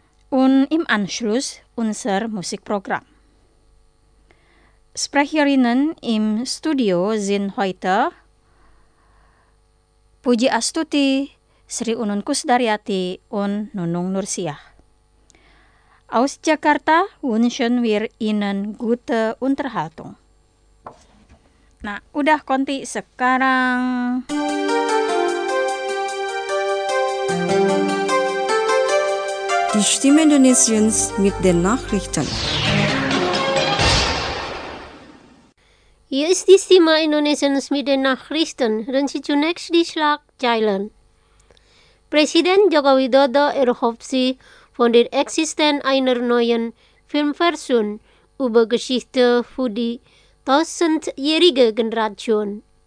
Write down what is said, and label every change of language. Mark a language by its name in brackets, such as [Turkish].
[German] Und im Anschluss unser Musikprogramm. Sprecherinnen im Studio sind heute Puji Astuti, Sri Unun Kusdaryati und Nunung Nursiah. Aus Jakarta wünschen wir Ihnen gute Unterhaltung. [Indonesian] Nah, udah konti sekarang. [German] Die Stimme Indonesiens mit den Nachrichten. Hier ist die Stimme Indonesiens mit den Nachrichten. Hören Sie zunächst die Schlagzeilen. Präsident Joko Widodo erhofft sich von der Existenz einer neuen Filmversion über Geschichte für die 1000-jährige Generation.